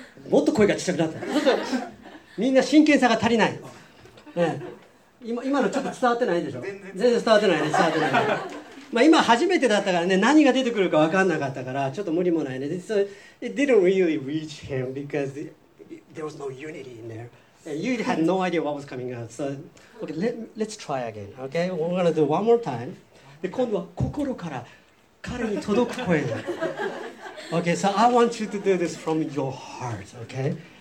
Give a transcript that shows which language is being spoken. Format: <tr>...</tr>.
<ja>もっと声がちっちゃくなった。そうそう、みんな真剣さが足りない、ね、今のちょっと伝わってないでしょ。全然伝わってないね。伝わってない、ね、まあ今初めてだったからね、何が出てくるか分かんなかったからちょっと無理もないね。</ja> <en>It didn't really reach him because there was no unity in there. You had no idea what was coming out. So okay, let's try again. Okay, we're gonna do one more time.</en> <ja>で今度は心から彼に届く声が。</ja> <en>Okay, so I want you to do this from your heart, okay?</en>